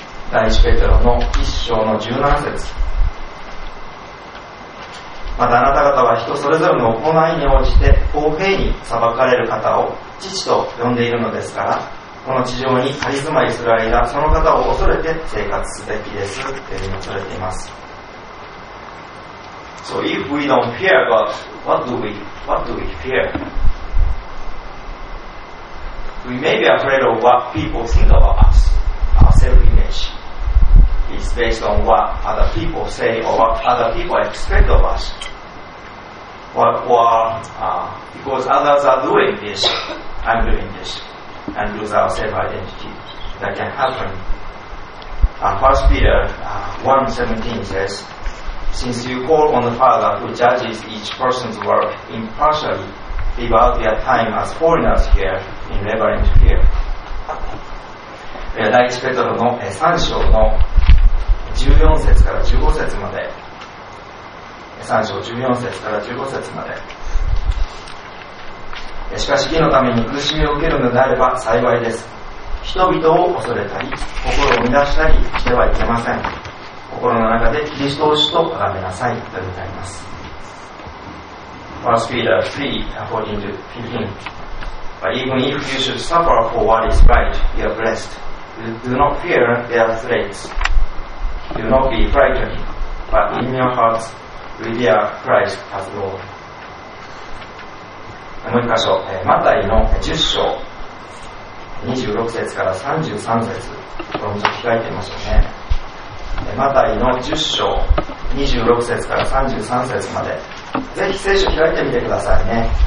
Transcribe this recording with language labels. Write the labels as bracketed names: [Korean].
[Japanese] 第一ペテロの1章の17節、またあなた方は人それぞれの行いに応じて公平に裁かれる方を父と呼んでいるのですから、この地上に仮住まいする間、その方を恐れて生活すべきですというふうに恐れています。 [English] So if we don't fear God, what do we fear? We may be afraid of what people think about us. Our self-image is based on what other people say or what other people expect of usBecause others are doing this, I'm doing this, and lose our self-identity. That can happen. First Peter 1:17 says, Since you call on the Father who judges each person's work impartially, live out your time as foreigners here in reverent fear. [Japanese] 第1ペトロの3章の14節から15節まで、3章14節から15節まで。しかし義のために苦しみを受けるのであれば幸いです。人々を恐れたり心を乱したりしてはいけません。心の中でキリストを主と崇めなさいと言います。 [English] 1 Peter 3:14-15 But even if you should suffer for what is right, you are blessed. Do not fear their threats. Do not be frightened, but in your heartsRevere Christ as Lord. [Japanese] もう一箇所、マタイの10章26節から33節、これもちょっと開いてみましょうね。マタイの10章26節から33節まで、ぜひ聖書開いてみてくださいね。